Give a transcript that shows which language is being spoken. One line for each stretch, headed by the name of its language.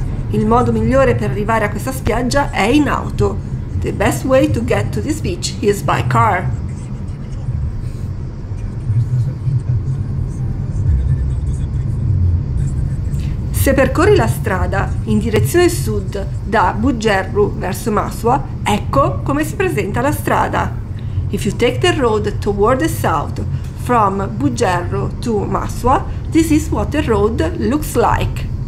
Italian: Il modo migliore per arrivare a questa spiaggia è in auto.
English: The best way to get to this beach is by car.
Italian: Se percorri la strada in direzione sud da Bugerru verso Masua, ecco come si presenta la strada.
English: If you take the road toward the south from Bugerru to Masua, this is what the road looks like.